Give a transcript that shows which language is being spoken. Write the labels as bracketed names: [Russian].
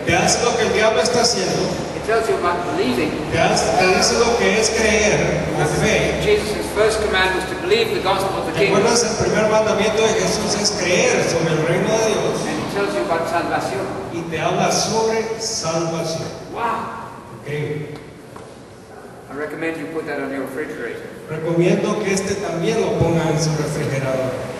[Spanish] Te hace lo que el diablo está haciendo. [English] Tells you about believing. [Spanish] Te dice lo que es creer, o fe. [English] Jesus' first command was to believe the gospel of the kingdom. [Spanish] ¿Recuerdas el primer mandamiento de Jesús es creer sobre el reino de Dios? [English] And tells you about salvación. [Spanish] Y te habla sobre salvación. [English] Wow. [Spanish] Increíble. [English] I recommend you put that on your refrigerator. [Spanish] Recomiendo que este también lo ponga en su refrigerador.